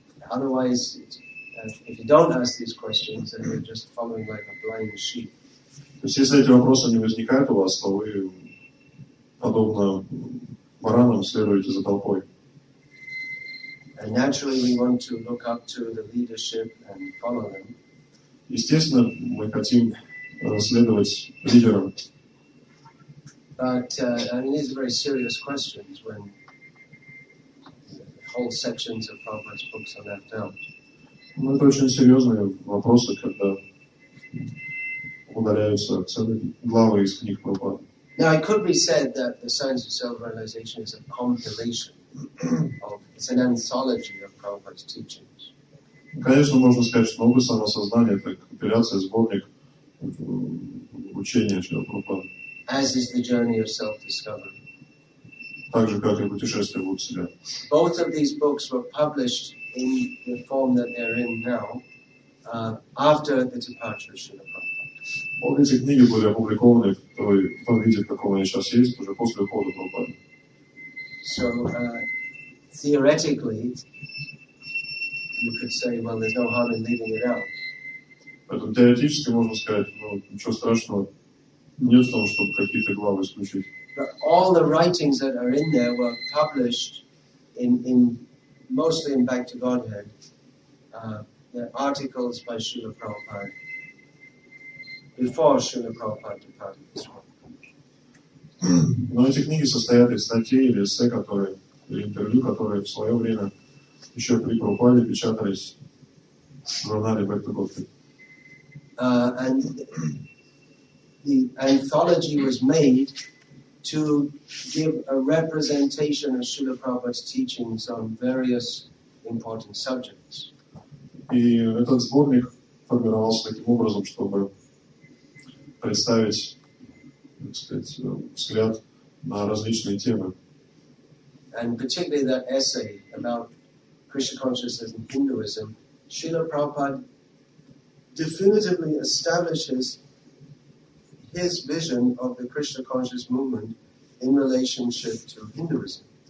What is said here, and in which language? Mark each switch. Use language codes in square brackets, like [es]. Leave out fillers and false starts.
[en] Otherwise, if you don't ask these questions, then you're just following like a blind sheep. [ru] То есть, если эти вопросы не возникают у вас, то вы подобно баранам следуете за толпой. [en] And naturally we want to look up to the leadership and follow them. [ru] Естественно, мы хотим следовать лидерам. [en] But these are very serious questions when whole sections of Prabhupada's books are left out. [ru] Ну, это очень серьезные вопросы, когда удаляются целые главы из книг Прабхупады. [en] Now it could be said that the Science of Self-Realization is a compilation of, it's an anthology of Prabhupada's teachings. [ru] Конечно, можно сказать, что наука самосознания это компиляция, сборник учения Шрилы Прабхупады. [en] As is the journey of self-discovery. [ru] Так же, как и путешествие вглубь себя. [en] Both of these books were published in the form that they're in now, after the departure of Shrila Prabhupada. [ru] Обе эти книги были опубликованы в том виде, в каком они сейчас есть, уже после ухода Прабхупады. [en] So, theoretically, you could say, well, there's no harm in leaving it out. [ru] Поэтому теоретически можно сказать, ну, ничего страшного, нет в том, чтобы какие-то главы исключить. [en] But all the writings that are in there were published in mostly in Back to Godhead, the articles by Srila Prabhupada. Before Srila Prabhupada departed this world. [ru] Но эти книги состоят из статей или эссе, которые, или интервью, которые в свое время еще при Прабхупаде печатались в журнале Back to Godhead. [en] And the anthology was made to give a representation of Srila Prabhupada's teachings on various important subjects. [ru] И этот сборник формировался таким образом, чтобы представить, так сказать, взгляд на различные темы. [en] And particularly that essay about Krishna consciousness and Hinduism, Srila Prabhupada definitively establishes his vision of the Krishna conscious movement in relationship to Hinduism.